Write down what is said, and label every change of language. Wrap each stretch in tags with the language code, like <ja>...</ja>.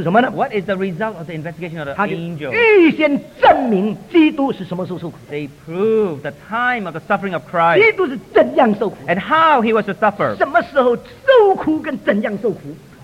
<en>what is the result of the investigation of the angel?</en> <zh>预先证明基督是什么时候受苦?</zh> <en>They prove the time of the suffering of Christ.</en> <zh>基督是怎样受苦?</zh> <en>And how he was to suffer.</en> <zh>什么时候受苦跟怎样受苦?</zh>